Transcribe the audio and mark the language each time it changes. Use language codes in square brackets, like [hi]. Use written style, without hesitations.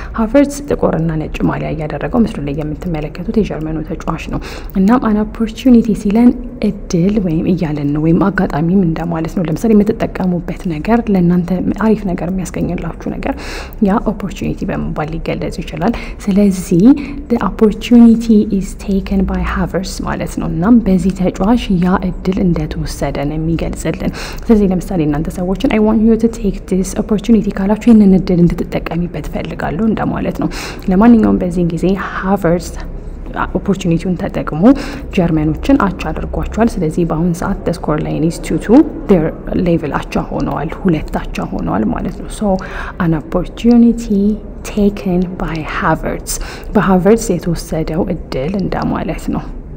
[am] ሃቨርትስ ጥቁርና ነጭ ማሊያ ያደረገው ምስሉ ላይ የምትመለከቱት የጀርመኑ ተጫዋች ነው. እናም [en] an opportunity [am] ሲለን እድል ወይም እያለን ነው ወይም አጋጣሚም እንደማለት ነው. ለምሳሌ የምትጠቀሙበት ነገር ለእናንተ አሪፍ ነገር የሚያስገኝላችሁ ነገር ያ opportunity በመባል ሊገለጽ ይችላል. ስለዚህ [en] the opportunity is taken by Havertz ማለት ነው. [am] እናም በዚህ ተጫዋች ያ እድል እንደተወሰደ ነው የሚገልጽልን. ስለዚህ ለምሳሌ እናንተ ሰዎችን [en] I want you to take this opportunity [am] ካላችሁ ይህንን እድል እንድትጠቀሚበት ፈልጋለሁ እንደማለት ነው. ለማንኛውም በዚህ ጊዜ Havertz opportunity-ውን ተጠቅሞ ጀርመኖችን አቻ አድርጓቸዋል. ስለዚህ በአሁን ሰዓት [en] the score line is 2-2 their level [am] አቻ ሆነዋል ሁለት አቻ ሆነዋል ማለት ነው. [en] so an opportunity taken by Havertz. By Havertz it was said out a deal and damn well it's not.